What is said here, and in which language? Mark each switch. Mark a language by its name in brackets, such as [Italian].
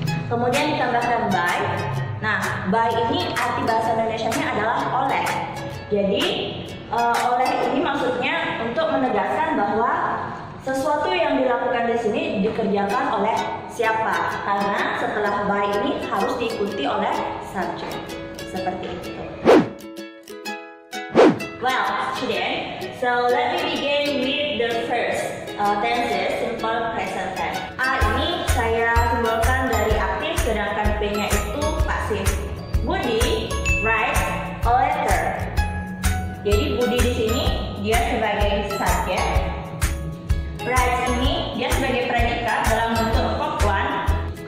[Indonesian] Kemudian ditambahkan by. Nah, by ini arti bahasa Indonesia-nya adalah oleh. Jadi, oleh ini maksudnya untuk menegaskan bahwa sesuatu yang dilakukan di sini dikerjakan oleh siapa. Karena setelah by ini harus diikuti oleh subject. Seperti itu. [English] Well, today, so let me begin with the first tenses, simple present tense. [Indonesian] A ini saya simbolkan dari aktif, sedangkan P-nya itu pasif. [English] Budi write a letter. [Indonesian] Jadi Budi di sini dia sebagai subjek. Write ini dia sebagai predikat dalam bentuk verb 1.